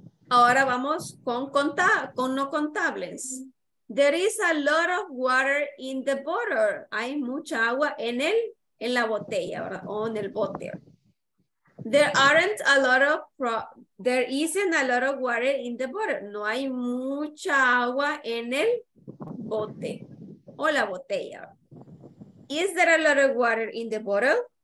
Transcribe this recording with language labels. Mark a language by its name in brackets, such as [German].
[Spanish] Ahora vamos con no contables. [English] There is a lot of water in the bottle. [Spanish] Hay mucha agua en la botella, ¿verdad? O en el bote. [English] There isn't a lot of water in the bottle. [Spanish] No hay mucha agua en el bote o la botella. [English] Is there a lot of water in the bottle?